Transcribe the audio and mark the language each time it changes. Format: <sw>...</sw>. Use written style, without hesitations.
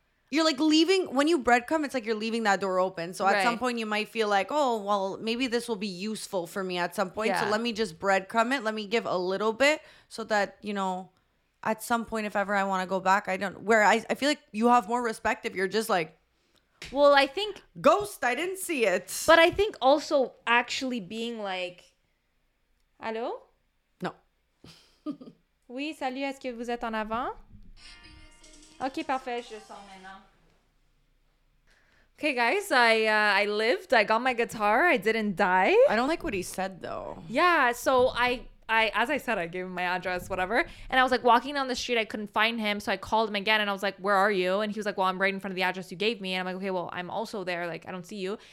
<en>You're like leaving, when you breadcrumb, it's like you're leaving that door open. So at some point you might feel like, oh, well, maybe this will be useful for me at some point. Yeah. So let me just breadcrumb it. Let me give a little bit so that, you know, at some point, if ever I want to go back, I feel like you have more respect if you're just like, well, I think ghost, I didn't see it. But I think also actually being like, hello? No.</en> <fr>Oui, salut, est-ce que vous êtes en avant? Ok, parfait, je sens maintenant.</fr> <en>Okay, guys, I lived, I got my guitar, I didn't die. I don't like what he said, though. Yeah, so I, as I said, I gave him my address, whatever. And I was like walking down the street, I couldn't find him. So I called him again and I was like, where are you? And he was like, well, I'm right in front of the address you gave me. And I'm like, okay, well, I'm also there, like, I don't see you.</en>